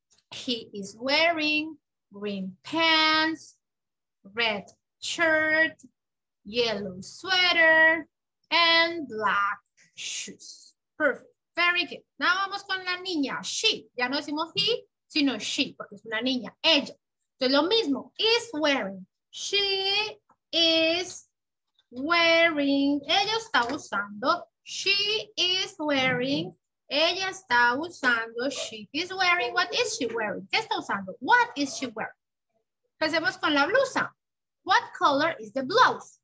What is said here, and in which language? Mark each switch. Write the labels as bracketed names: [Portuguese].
[English] He is wearing green pants, red shirt, yellow sweater, and black shoes. Perfect, very good. Now [Spanish] vamos con la niña, she. Ya no decimos he, sino she, porque es una niña, ella. Entonces lo mismo, is wearing. [English] She is wearing, [Spanish] ella está usando, [English] she is wearing, ella está usando, she is wearing, what is she wearing? [Spanish] ¿Qué está usando? [English] What is she wearing? [Spanish] Empecemos con la blusa. [English] What color is the blouse?